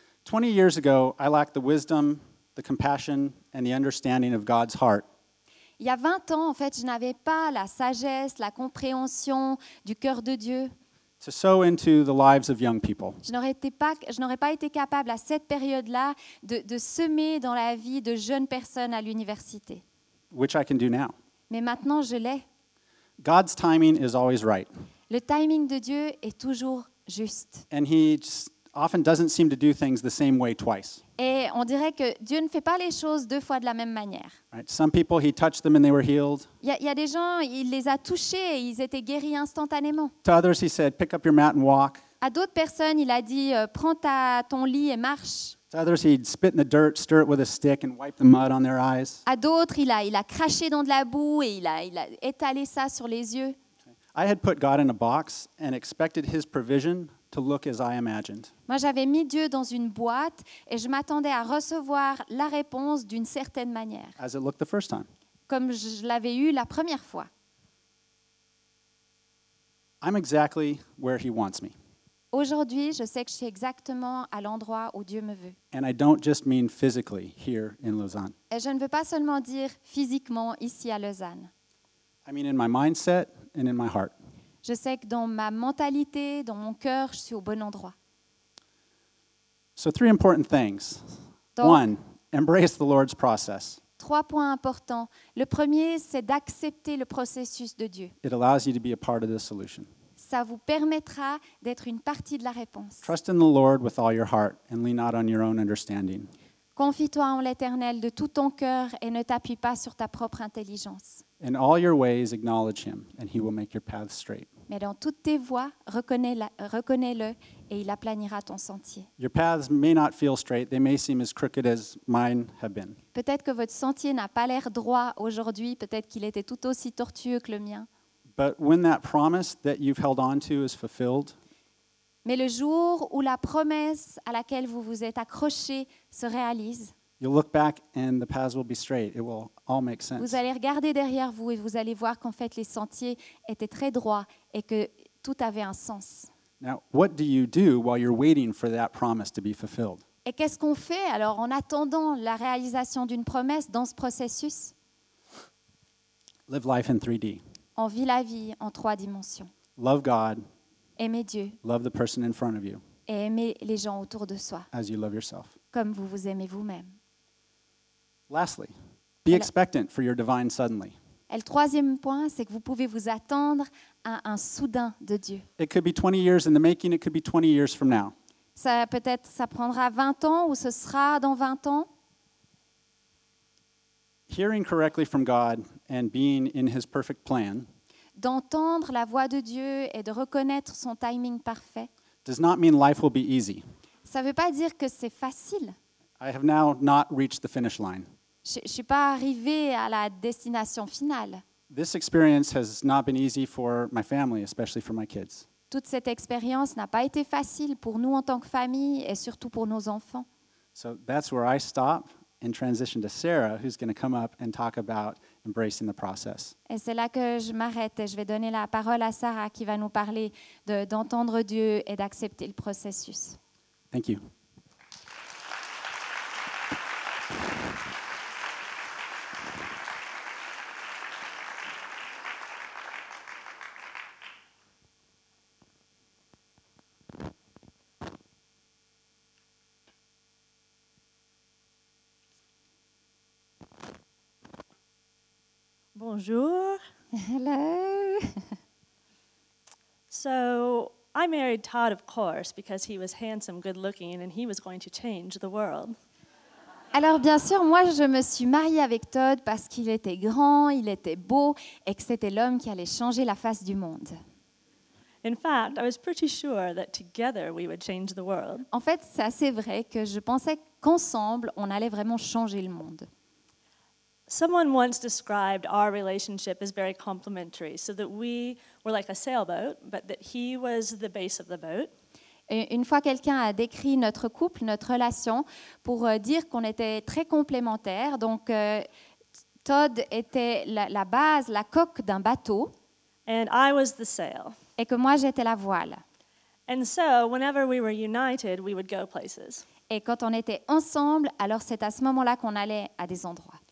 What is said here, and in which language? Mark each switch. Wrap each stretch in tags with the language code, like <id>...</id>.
<en>20 years ago, I lacked the wisdom, the compassion and the understanding of God's heart.</en> <fr>Il y a 20 ans, en fait, je n'avais pas la sagesse, la compréhension du cœur de Dieu.</fr> <en>To sow into the lives of young people.</en> <fr>Je n'aurais pas été capable à cette période-là de semer dans la vie de jeunes personnes à l'université.</fr> <en>Which I can do now.</en> <fr>Mais maintenant, je l'ai.</fr> <en>God's timing is always right.</en> <fr>Le timing de Dieu est toujours juste.</fr> <en>And he often doesn't seem to do things the same way twice.</en> <fr>Et on dirait que Dieu ne fait pas les choses deux fois de la même manière.</fr> <en>Right. Some people, he touched them and they were healed.</en> <fr>Il y a des gens, il les a touchés et ils étaient guéris instantanément.</fr> <en>To others, he said, pick up your mat and walk.</en> <fr>À d'autres personnes, il a dit, prends ton lit et marche.</fr> <en>To others, he'd spit in the dirt, stir it with a stick and wipe the mud on their eyes.</en> <fr>À d'autres, il a craché dans de la boue et il a étalé ça sur les yeux.</fr> <en>I had put God in a box and expected his provision to look as I imagined.</en> <fr>Moi, j'avais mis Dieu dans une boîte et je m'attendais à recevoir la réponse d'une certaine manière.</fr> <en>As it looked the first time.</en> <fr>Comme je l'avais eu la première fois.</fr> <en>I'm exactly where he wants me.</en> <fr>Aujourd'hui, je sais que je suis exactement à l'endroit où Dieu me veut.</fr> <en>And I don't just mean physically here in Lausanne.</en> <fr>Et je ne veux pas seulement dire physiquement ici à Lausanne.</fr> <en>I mean in my mindset and in my heart.</en> <fr>Je sais que dans ma mentalité, dans mon cœur, je suis au bon endroit.</fr> <en>So 3 important things.</en> <fr>Donc,</fr> <en>1, embrace the Lord's process.</en> <fr>3 points importants. Le premier, c'est d'accepter le processus de Dieu.</fr> <en>It allows you to be a part of the solution.</en> <fr>Ça vous permettra d'être une partie de la réponse.</fr> <en>Trust in the Lord with all your heart and lean not on your own understanding.</en> <fr>Confie-toi en l'Éternel de tout ton cœur et ne t'appuie pas sur ta propre intelligence.</fr> <en>In all your ways, acknowledge him, and he will make your path straight.</en> <fr>Mais dans toutes tes voies, reconnais-le, et il aplanira ton sentier.</fr> <en>Your paths may not feel straight; they may seem as crooked as mine have been.</en> <fr>Peut-être que votre sentier n'a pas l'air droit aujourd'hui. Peut-être qu'il était tout aussi tortueux que le mien.</fr> <en>But when that promise that you've held on to is fulfilled.</en> <fr>Mais le jour où la promesse à laquelle vous vous êtes accroché se réalise.</fr> <en>You'll look back and the paths will be straight. It will all make sense.</en> <fr>Vous allez regarder derrière vous et vous allez voir qu'en fait les sentiers étaient très droits et que tout avait un sens.</fr> <en>Now, what do you do while you're waiting for that promise to be fulfilled?</en> <fr>Et qu'est-ce qu'on fait alors en attendant la réalisation d'une promesse dans ce processus?</fr> <en>Live life in 3D.</en> <fr>On vit la vie en trois dimensions.</fr> <en>Love God.</en> <fr>Aimez Dieu.</fr> <en>Love the person in front of you.</en> <fr>Et aimez les gens autour de soi.</fr> <en>As you love yourself.</en> <fr>Comme vous vous aimez vous-même.</fr> <en>Lastly, be expectant for your divine suddenly.</en> <fr>Et le troisième point, c'est que vous pouvez vous attendre à un soudain de Dieu.</fr> <en>It could be 20 years in the making, it could be 20 years from now.</en> <fr>Ça peut-être ça prendra 20 ans ou ce sera dans 20 ans.</fr> <en>Hearing correctly from God and being in his perfect plan.</en> <fr>D'entendre la voix de Dieu et de reconnaître son timing parfait.</fr> <en>Does not mean life will be easy.</en> <fr>Ça veut pas dire que c'est facile.</fr> <en>I have now not reached the finish line.</en> <fr>Je ne suis pas arrivée à la destination finale.</fr> <en>This experience has not been easy for my family, especially for my kids.</en> <fr>Toute cette expérience n'a pas été facile pour nous en tant que famille et surtout pour nos enfants.</fr> <en>So that's where I stop and transition to Sarah, who's going to come up and talk about embracing the process.</en> <fr>Et c'est là que je m'arrête et je vais donner la parole à Sarah qui va nous parler d'entendre Dieu et d'accepter le processus.</fr> <en>Thank you.</en> <fr>Bonjour.</fr> <en>Hello. So I married Todd, of course, because he was handsome, good-looking, and he was going to change the world.</en> <fr>Alors bien sûr, moi je me suis mariée avec Todd parce qu'il était grand, il était beau, et que c'était l'homme qui allait changer la face du monde.</fr> <en>In fact, I was pretty sure that together we would change the world.</en> <fr>En fait, c'est assez vrai que je pensais qu'ensemble on allait vraiment changer le monde.</fr> <en>Someone once described our relationship as very complementary, so that we were like a sailboat, but that he was the base of the boat.</en> <fr>Une fois, quelqu'un a décrit notre couple, notre relation, pour dire qu'on était très complémentaires. Donc, Todd était la base, la coque d'un bateau.</fr> <en>And I was the sail.</en> <fr>Et que moi, j'étais la voile.</fr> <en>And so, whenever we were united, we would go places.</en> <fr>Et quand on était ensemble, alors c'est à ce moment-là qu'on allait à des endroits.</fr>